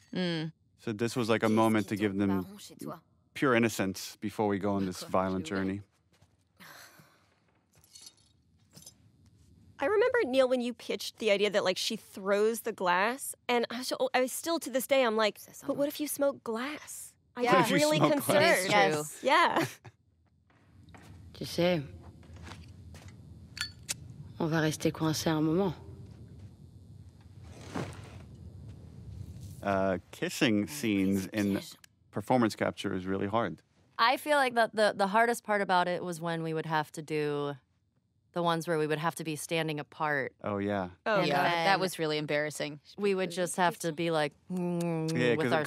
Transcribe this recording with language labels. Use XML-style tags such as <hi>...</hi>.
<en>So this was like a moment to give them pure innocence before we go on this violent journey. I remember, Neil, when you pitched the idea that, like, she throws the glass, and I still, to this day, I'm like, but what if you smoke glass? Yeah. I'm really concerned. Glass. Yes. Yeah.</en> <fr>Tu sais, on va rester coincé un moment.</fr> <en>Kissing scenes in performance capture is really hard. I feel like the hardest part about it was when we would have to do the ones where we would have to be standing apart. Oh, yeah. Oh, and yeah. That was really embarrassing. We would just have to be like, with ourselves.</en>